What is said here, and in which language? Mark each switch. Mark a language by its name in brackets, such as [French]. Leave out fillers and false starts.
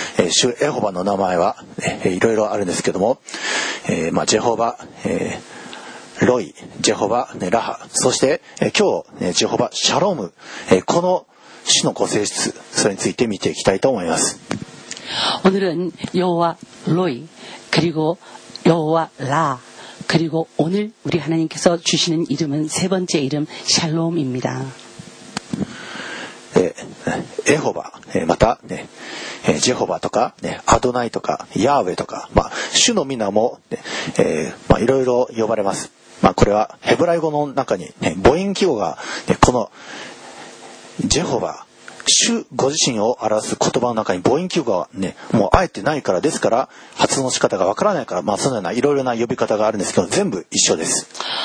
[Japanese] 主エホバの名前はいろいろあるんですけども、ジェホバ、ロイ、ジェホバ、ラハ、そして今日ジェホバシャローム、この主のご性質、それについて見ていきたいと思います。 [Korean] 오늘은여호와로이그리고여호와라그리고오늘우리하나님께서주시는이름은세번째이름샬롬입니다 [Japanese] 에호바また、ね、ジェホバとか、ね、アドナイとかヤーウェとか、まあ、主の名も、ね、まあ、いろいろ呼ばれます。まあ、これはヘブライ語の中に、ね、母音記号が、ね、このジェホバ、主ご自身を表す言葉の中に母音記号がね、もうあえてないから、ですから発音の仕方がわからないから、まあそのようないろいろな呼び方があるんですけど、全部一緒です。